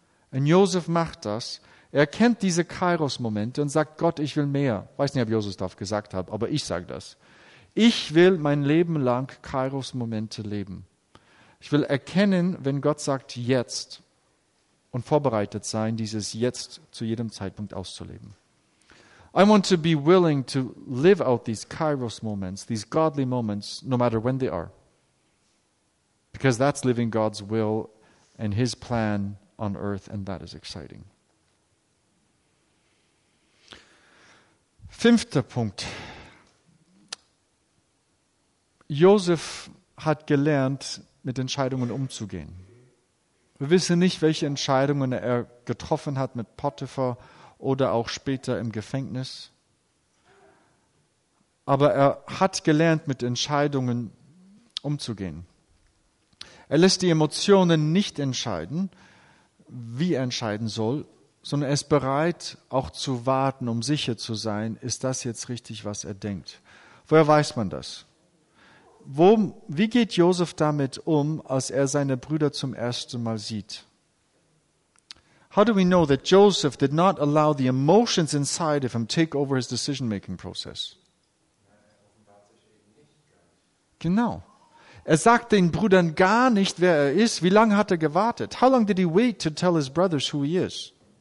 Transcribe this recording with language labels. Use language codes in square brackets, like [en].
[de] Und Josef macht das. Er kennt diese Kairos-Momente und sagt, Gott, ich will mehr. Weiß nicht, ob Josef das gesagt hat, aber ich sage das. Ich will mein Leben lang Kairos-Momente leben. Ich will erkennen, wenn Gott sagt, jetzt, und vorbereitet sein, dieses Jetzt zu jedem Zeitpunkt auszuleben. [en] I want to be willing to live out these Kairos moments, these godly moments, no matter when they are. Because that's living God's will and his plan on earth, and that is exciting. [de] Fünfter Punkt. Josef hat gelernt, mit Entscheidungen umzugehen. Wir wissen nicht, welche Entscheidungen er getroffen hat mit Potiphar oder auch später im Gefängnis. Aber er hat gelernt, mit Entscheidungen umzugehen. Er lässt die Emotionen nicht entscheiden, wie er entscheiden soll, sondern er ist bereit, auch zu warten, um sicher zu sein, ist das jetzt richtig, was er denkt. Woher weiß man das? Wie geht Josef damit um, als er seine Brüder zum ersten Mal sieht? [en] How do we know that Joseph did not allow the emotions inside of him take over his decision-making process? [de] Genau. Er sagt den Brüdern gar nicht, wer er ist. Wie lange hat er gewartet? [en] How long did he wait to tell his brothers who he is?